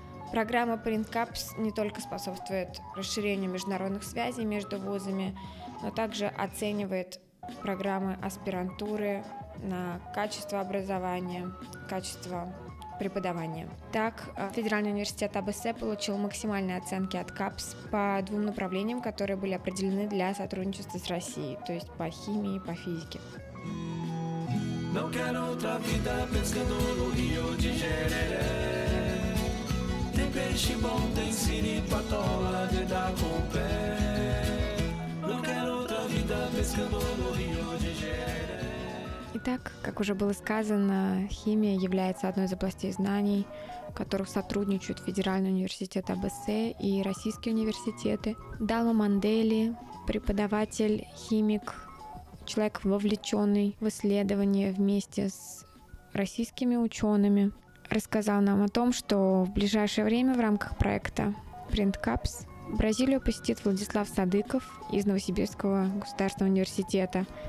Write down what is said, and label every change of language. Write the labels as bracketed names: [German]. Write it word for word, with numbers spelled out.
[Russian] Программа «Принткапс» не только способствует расширению международных связей между вузами, но также оценивает программы аспирантуры на качество образования, качество преподавания. Так, Федеральный университет А Б С получил максимальные оценки от КАПС по двум направлениям, которые были определены для сотрудничества с Россией, то есть по химии и по физике. [Portuguese] Não quero outra vida pescando no rio de Gereré. Tem peixe bom, tem siripatola, de dar com o pé. Não quero outra vida pescando no rio de Gereré. [Russian] Итак, как уже было сказано, химия является одной из областей знаний, в которых сотрудничают Федеральный университет А Б С и российские университеты. Дама Мандели, преподаватель, химик, человек, вовлеченный в исследования вместе с российскими учеными, рассказал нам о том, что в ближайшее время в рамках проекта «Принткапс» Бразилию посетит Владислав Садыков из Новосибирского государственного университета.